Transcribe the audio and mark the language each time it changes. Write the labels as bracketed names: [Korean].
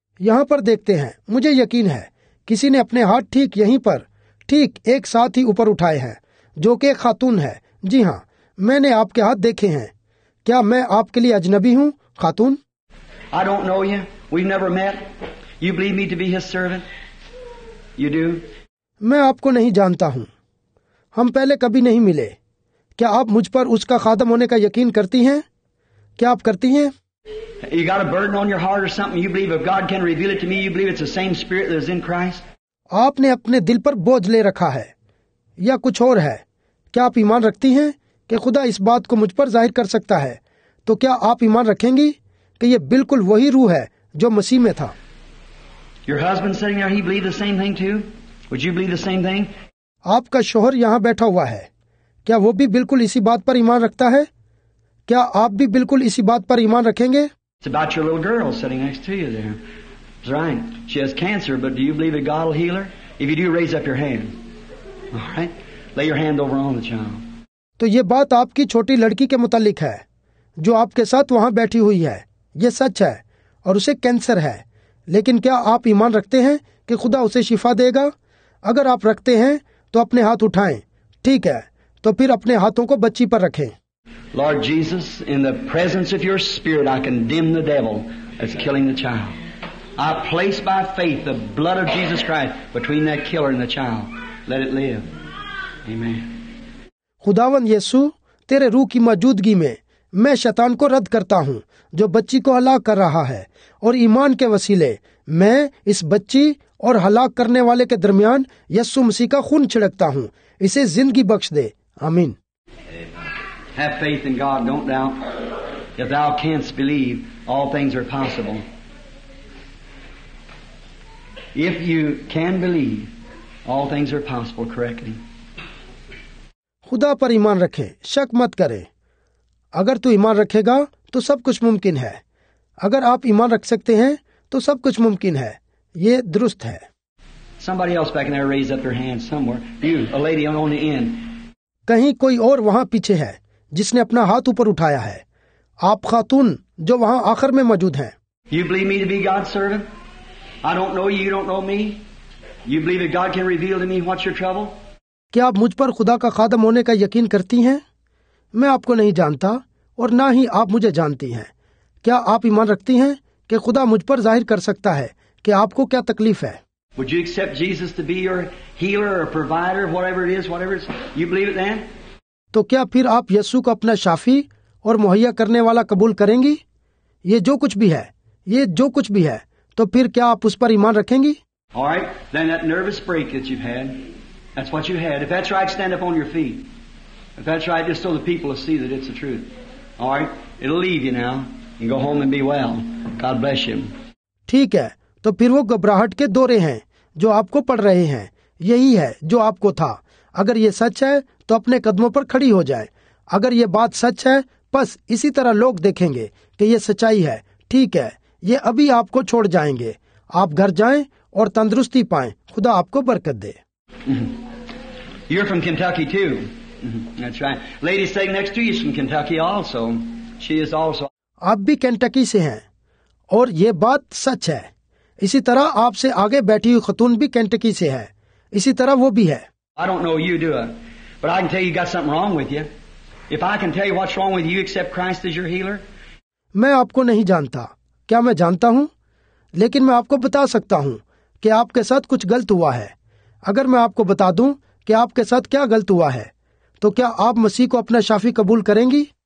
[Hindi] यहाँ पर देखते हैं, मुझे यकीन है किसी ने अपने हाथ ठीक यहीं पर ठीक एक साथ ही ऊपर उठाए हैं, जो कि एक खातून है। जी हाँ, मैंने आपके हाथ देखे हैं। क्या मैं आपके लिए अजनबी हूँ, खातून? [English] I don't know you. We've never met. You believe me to be his servant? You do? [Hindi] मैं आपको नहीं जानता हूँ. हम पहले कभी नहीं मिले. क्या आप मुझ पर उसका खादम होने का यकीन करती हैं? क्या आप करती हैं? [English] You got a burden on your heart or something? You believe if God can reveal it to me, you believe it's the same spirit that is in Christ? [Hindi] आपने अपने दिल पर बोझ ले रखा है या कुछ और है? क्या आप ईमान रखती हैं कि खुदा इस बात को मुझ पर जाहिर कर सकता है? तो क्या आप ईमान रखेंगी कि ये बिल्कुल वही रूह है जो मसीह में था? [English] Your husband sitting there, he believed the same thing too? Would you believe the same thing? [Hindi] आपका शोहर यहाँ बैठा हुआ है, क्या वो भी बिल्कुल इसी बात पर ईमान रखता है? क्या आप भी बिल्कुल इसी बात पर ईमान रखेंगे? [English] It's about your little girl sitting next to you there. That's right. She has cancer, but do you believe that God will heal her? If you do, raise up your hand. All right. Lay your hand over on the child. [Hindi] तो ये बात आपकी छोटी लड़की के मुतालिक है, जो आपके साथ वहाँ बैठी हुई है. ये सच है, और उसे कैंसर है. लेकिन क्या आप ईमान रखते हैं कि खुदा उसे शिफा देगा? अगर आप रखते हैं, तो अपने हाथ उठाएं. ठीक है. तो फिर अपने हाथों को बच्ची पर रखें. [English] Lord Jesus, in the presence of your spirit, I condemn the devil as killing the child. I place by faith the blood of Jesus Christ between that killer and the child. Let it live. Amen. [Hindi] खुदावन यीशु, तेरे रूह की मौजूदगी में मैं शैतान को रद्द करता हूँ जो बच्ची को हलाक कर रहा है, और ईमान के वसीले मैं इस बच्ची और हलाक करने वाले के दरमियान यीशु मसीह का खून छिड़कता हूँ. इसे जिंदगी बख्श दे. आमीन. [English] Have faith in God, don't doubt. If thou canst believe, all things are possible. If you can believe, all things are possible correctly. [Hindi] खुदा पर ईमान रखे, शक मत करे. अगर तू ईमान रखेगा तो सब कुछ मुमकिन है. अगर आप ईमान रख सकते हैं तो सब कुछ मुमकिन है. ये दुरुस्त है. [English] Somebody else back there raised up their hand somewhere. You, a lady on the end. [Hindi] कहीं कोई और वहाँ पीछे है जिसने अपना हाथ ऊपर उठाया है. आप खातून जो वहाँ आखिर में मौजूद हैं. [English] You believe me to be God's servant? I don't know you, you don't know me. You believe that God can reveal to me what's your trouble? [Hindi] क्या आप मुझ पर खुदा का खादम होने का यकीन करती हैं? मैं आपको नहीं जानता और ना ही आप मुझे जानती हैं. क्या आप ईमान रखती हैं कि खुदा मुझ पर जाहिर कर सकता है कि आपको क्या तकलीफ है? [English] Would you accept Jesus to be your healer or provider, whatever it is, whatever it is? You believe it then? [Hindi] तो क्या फिर आप यीशु को अपना शाफी और मुहैया करने वाला कबूल करेंगी? ये जो कुछ भी है, ये जो कुछ भी है, तो फिर क्या आप उस पर ईमान रखेंगी? [English] All right, then that nervous break that you've had, that's what you had. If that's right, stand up on your feet. If that's right, just so the people will see that it's the truth. All right, it'll leave you now. You can go home and be well. God bless you. [Hindi] ठीक है, तो फिर वो घबराहट के दौरे हैं जो आपको पड़ रहे हैं. यही है जो आपको था. अगर ये सच है तो अपने कदमों पर खड़ी हो जाए. अगर ये बात सच है, बस इसी तरह लोग देखेंगे कि ये सच्चाई है. ठीक है, ये अभी आपको छोड़ जाएंगे. आप घर जाएं और तंदुरुस्ती पाएं. खुदा आपको बरकत दे. [English] You're from Kentucky too. That's right. Lady sitting next to you is from Kentucky also. She is also. [Hindi] आप भी केंटकी से हैं और ये बात सच है. इसी तरह आपसे आगे बैठी हुई खतून भी केंटकी से है. इसी तरह वो भी है. [English] I don't know you, do I? But I can tell you got something wrong with you. If I can tell you what's wrong with you, accept Christ as your healer. [Hindi] मैं आपको नहीं जानता. क्या मैं जानता हूँ? लेकिन मैं आपको बता सकता हूँ कि आपके साथ कुछ गलत हुआ है. अगर मैं आपको बता दूँ कि आपके साथ क्या गलत हुआ है, तो क्या आप मसीह को अपना शाफी कबूल करेंगी?